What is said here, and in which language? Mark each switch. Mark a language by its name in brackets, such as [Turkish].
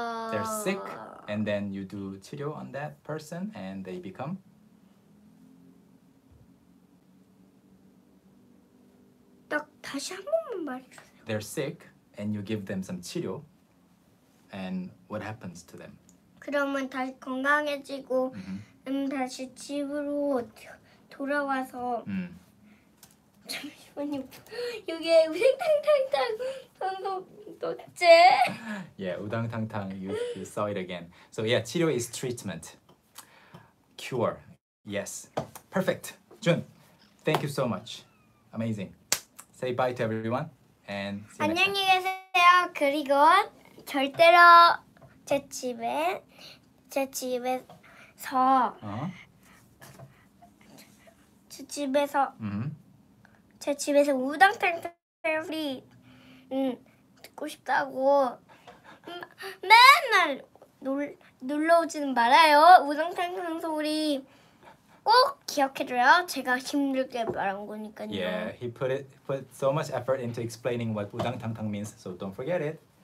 [English] They're sick and then you do 치료 on that person and they become [Korean] 딱 다시 한 번만 말해 주세요. [English] They're sick and you give them some 치료. And what happens to them? [Korean] 그러면 다시 건강해지고 다시 집으로 돌아와서 잠시만요. 이게 우당탕탕 선도 어째? [English] Yeah, 우당탕탕. You saw it again. So yeah, 치료 is treatment, cure. Yes, perfect. Jun, thank you so much. Amazing. Say bye to everyone and see you [Korean] 안녕히 [English] next time. [Korean] 계세요. 그리고 절대로 제 집에서 제 집에서 우당탕탕 소리 듣고 싶다고 맨날 놀러오지는 말아요. 우당탕탕 소리 꼭 기억해줘요. 제가 힘들게 말한 거니까요. [English] Yeah, he put so much effort into explaining what 우당탕탕 means, so don't forget it.